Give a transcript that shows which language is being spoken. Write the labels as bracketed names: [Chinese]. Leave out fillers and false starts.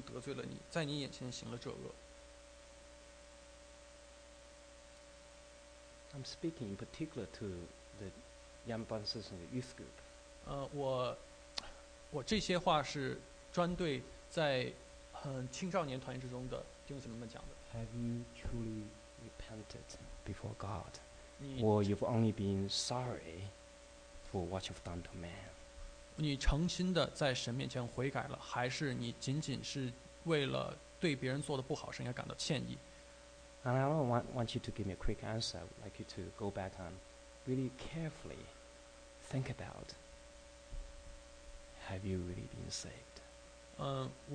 [Chinese] 这也就是大卫在和拔示巴犯淫乱之后，他悔改在诗篇51篇之中，他悔改在诗篇51篇第4节说：“我向你犯罪，唯独得罪了你，在你眼前行了这恶。” [English] I'm speaking in particular to the young pastors in the youth group. [Chinese] 我这些话是专对在青少年团体之中的弟兄姊妹们讲的。 [English] Have you truly repented before God? Or you've only been sorry for what you've done to man? [Chinese] 你诚心的在神面前悔改了，还是你仅仅是为了对别人做的不好事而感到歉意？ [English] And I don't want you to give me a quick answer. I would like you to go back and really carefully think about, have you really been saved?